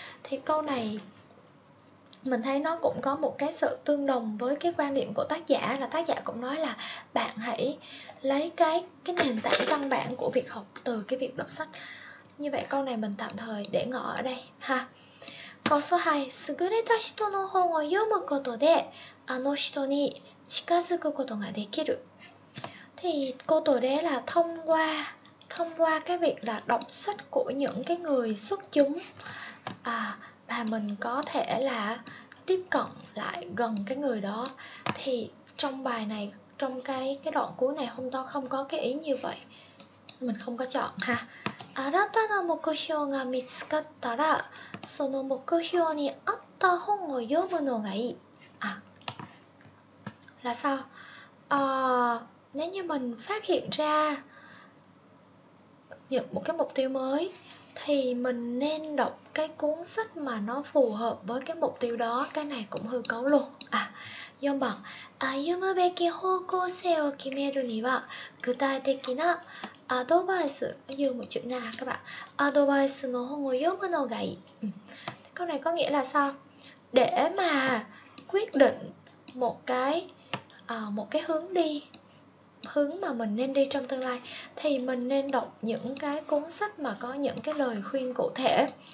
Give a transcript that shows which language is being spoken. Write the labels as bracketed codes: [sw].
[vi] Thì câu này mình thấy nó cũng có một cái sự tương đồng với cái quan điểm của tác giả, là tác giả cũng nói là bạn hãy lấy cái nền tảng căn bản của việc học từ cái việc đọc sách. Như vậy câu này mình tạm thời để ngỏ ở đây ha. Câu số 2. [ja] 優れた人の本を読むことで、あの人に近づくことができる。 [vi] Thì câu tổ đề là thông qua cái việc là đọc sách của những cái người xuất chúng, mà mình có thể là tiếp cận lại gần cái người đó. Thì trong bài này, trong cái đoạn cuối này, hôm đó không có cái ý như vậy, mình không có chọn ha. [ja] 新たな目標が見つかったら、その目標に合った本を読むのがいい。 [vi] Là sao? Nếu như mình phát hiện ra những một cái mục tiêu mới, thì mình nên đọc cái cuốn sách mà nó phù hợp với cái mục tiêu đó. Cái này cũng hư cấu luôn. [ja] 4番、歩むべき方向性を決めるには具体的な [vi] Advice, dù một chữ nào các bạn. [ja] Advice no hongo yomu no ga ii. [vi] Câu này có nghĩa là sao? Để mà quyết định một cái hướng đi, hướng mà mình nên đi trong tương lai, thì mình nên đọc những cái cuốn sách mà có những cái lời khuyên cụ thể.